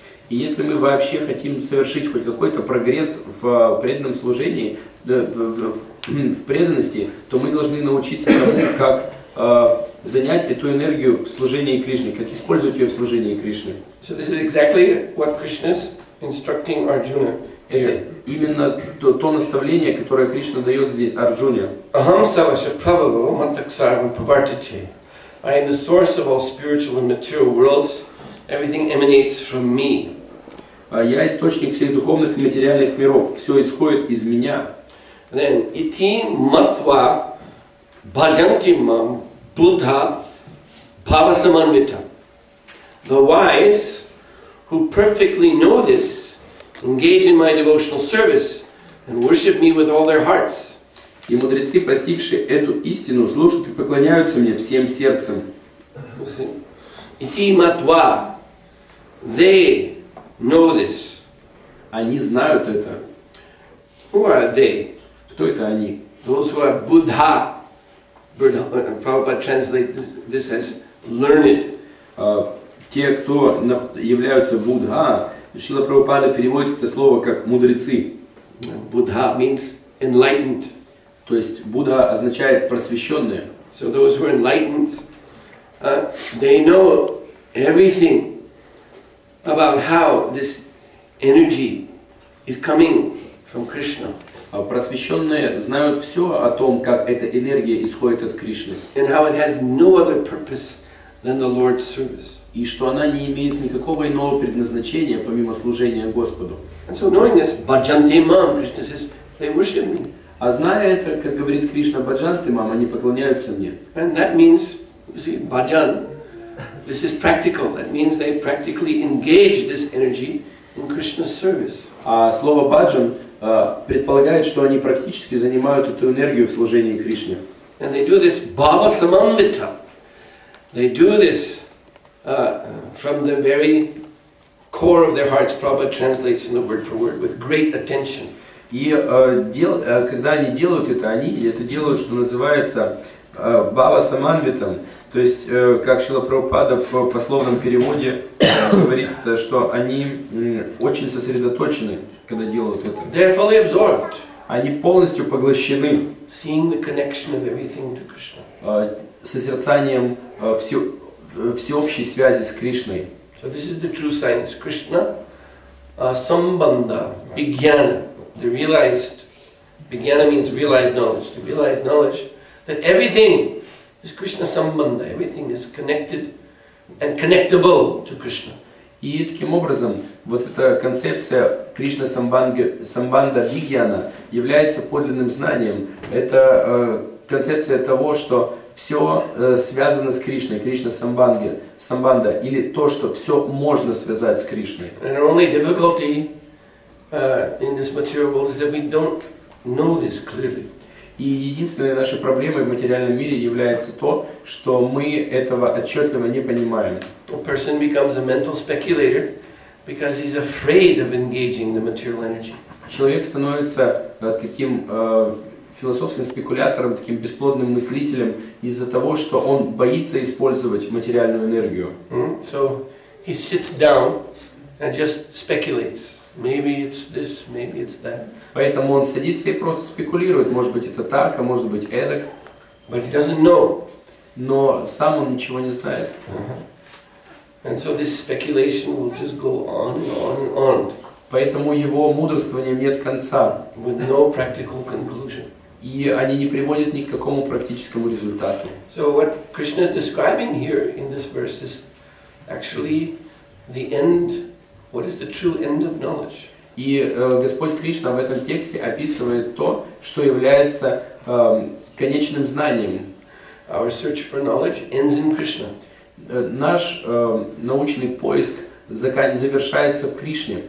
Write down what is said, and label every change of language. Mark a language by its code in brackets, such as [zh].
[ru] И если мы вообще хотим совершить хоть какой-то прогресс в преданном служении, в преданности, то мы должны научиться тому, как занять эту энергию в служении Кришне, как использовать ее в служении Кришне. [en] So this is exactly what Krishna's instructing Arjuna. [ru] Это именно то наставление, которое Кришна дает здесь Арджуне. [sa] Aham savasya prabhavo mataksarvam pravartate. [en] I am the source of all spiritual and material worlds. Everything emanates from me. [ru] Я источник всех духовных и материальных миров. Все исходит из меня. [sa] Then iti matva bhajanti mam buddha bhavasamanvita. [en] The wise who perfectly know this engage in my devotional service and worship me with all their hearts. [ru] И мудрецы, постигшие эту истину, слушают и поклоняются мне всем сердцем. [sa] Iti matva. [en] They know this. [ru] Они знают это. [en] Who are they? [ru] Кто это они? [en] Those who are Buddha. Buddha. Prabhupada translates this as learned. [ru] Те, кто являются Buddha, Шрила Прабхупада переводит это слово как мудрецы. [en] Buddha means enlightened. [ru] То есть Будда означает просвещенное. [en] So those who are enlightened, they know everything about how this energy is coming from Krishna. [ru] Просвещенные знают все о том, как эта энергия исходит от Кришны. [en] And how it has no other purpose than the Lord's service. [ru] И что она не имеет никакого иного предназначения, помимо служения Господу. [en] And so knowing this, bhajanti mam, Krishna says, they worship me. [ru] А зная это, как говорит Кришна, баджанты мам, они поклоняются мне. [en] And that means, you see, bhajan, this is practical. That means they practically engage this energy in Krishna's service. [ru] А слово баджан предполагает, что они практически занимают эту энергию в служении Кришне. [en] And they do this bhava samambita. They do this from the very core of their hearts. Prabhupada translates from the word for word with great attention. [ru] И когда они делают это, они это делают, что называется бава самамбитом, то есть как Шрила Прабхупада в пословном переводе говорит, что они очень сосредоточены, когда делают это. [en] They're fully absorbed. [ru] Они полностью поглощены. [en] Seeing the connection of everything to Krishna. [ru] Созерцанием всеобщей связи с Кришной. [en] So this is the true science. Krishna sambandha vigyana. To realize, vijnana means realized knowledge. To realize knowledge that everything is Krishna sambandha. Everything is connected and connectable to Krishna. [ru] И таким образом, вот эта концепция Кришна самбанда вигьяна является подлинным знанием. Это концепция того, что все связано с Кришной, Кришна самбанда, или то, что все можно связать с Кришной. [en] And our only difficulty in this material world is that we don't know this clearly. [ru] И единственной нашей проблемой в материальном мире является то, что мы этого отчетливо не понимаем. [en] A person becomes a mental speculator because he's afraid of engaging the material energy. [ru] Человек становится таким философским спекулятором, таким бесплодным мыслителем из-за того, что он боится использовать материальную энергию. [en] So he sits down and just speculates. Maybe it's this, maybe it's that. [ru] Поэтому он садится и просто спекулирует, может быть это так, а может быть эдак. [en] But he doesn't know. [ru] Но сам он ничего не знает. [en] And so this speculation will just go on and on and on. [ru] Поэтому его мудрствование нет конца. [en] With no practical conclusion. [ru] И они не приводят ни к какому практическому результату. [en] So what Krishna is describing here in this verse is actually the end. What is the true end of knowledge? [ru] И Господь Кришна в этом тексте описывает то, что является конечным знанием. [en] Our search for knowledge ends in Krishna. [ru] Наш научный поиск завершается в Кришне.